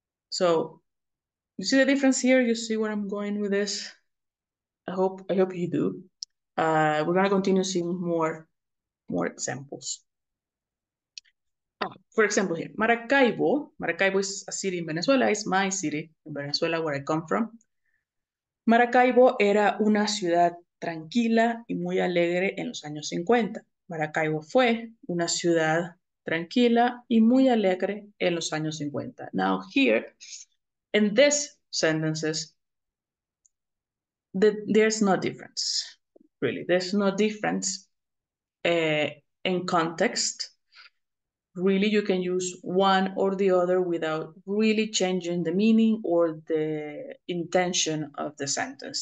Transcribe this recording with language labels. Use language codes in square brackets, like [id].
[en] So, you see the difference here? You see where I'm going with this? I hope you do. We're gonna continue seeing more examples. For example, here, Maracaibo is a city in Venezuela, it's my city in Venezuela where I come from. [es] Maracaibo era una ciudad tranquila y muy alegre en los años 50. Maracaibo fue una ciudad tranquila y muy alegre en los años 50. [en] Now, here, in these sentences, there's no difference, really. There's no difference in context. Really, you can use one or the other without really changing the meaning or the intention of the sentence.